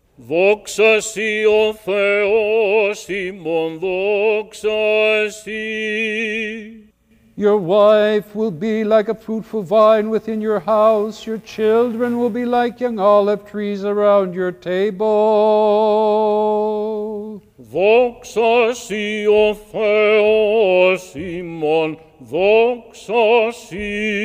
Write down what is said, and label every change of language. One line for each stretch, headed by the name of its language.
Greek: Δόξα σοι ο Θεός ημών, δόξα σοι.
English: Your wife will be like a fruitful vine within your house. Your children will be like young olive trees around your table.
Greek: Δόξα σοι ο Θεός ημών, δόξα σοι.